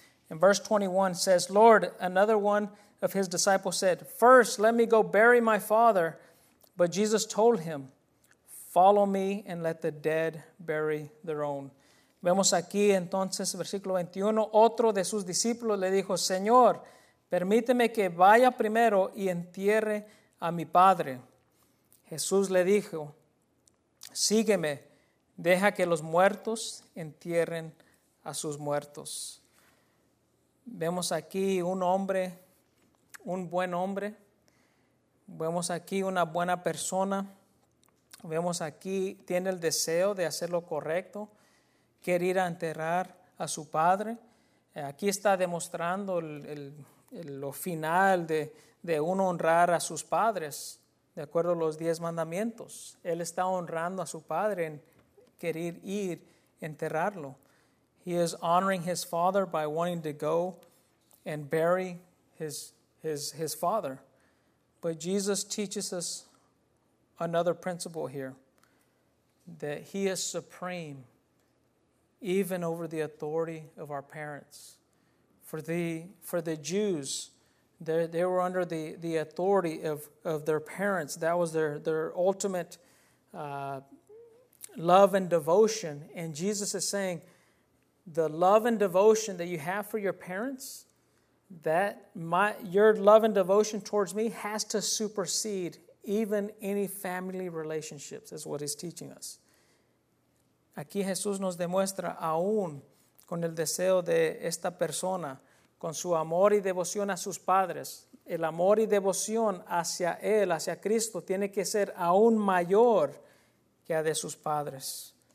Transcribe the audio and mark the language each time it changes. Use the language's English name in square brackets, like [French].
[English] In verse 21 says, Lord, another one of his disciples said, first, let me go bury my father. But Jesus told him, follow me and let the dead bury their own. [Spanish] Vemos aquí entonces, versículo 21, otro de sus discípulos le dijo, Señor, permíteme que vaya primero y entierre a mi padre. Jesús le dijo, sígueme, deja que los muertos entierren a sus muertos. Vemos aquí un hombre, un buen hombre. Vemos aquí una buena persona. Vemos aquí, tiene el deseo de hacer lo correcto. Quiere ir a enterrar a su padre. Aquí está demostrando lo final de uno honrar a sus padres, de acuerdo a los 10 mandamientos. Él está honrando a su padre en querer ir enterrarlo. [English] He is honoring his father by wanting to go and bury his father. But Jesus teaches us another principle here, that he is supreme even over the authority of our parents. For the Jews, they were under the authority of their parents. That was their ultimate love and devotion. And Jesus is saying, the love and devotion that you have for your parents, that your love and devotion towards me has to supersede even any family relationships, is what he's teaching us. [Spanish] Aquí Jesús nos demuestra aún con el deseo de esta persona, con su amor y devoción a sus padres, el amor y devoción hacia él, hacia Cristo, tiene que ser aún mayor que a de sus padres.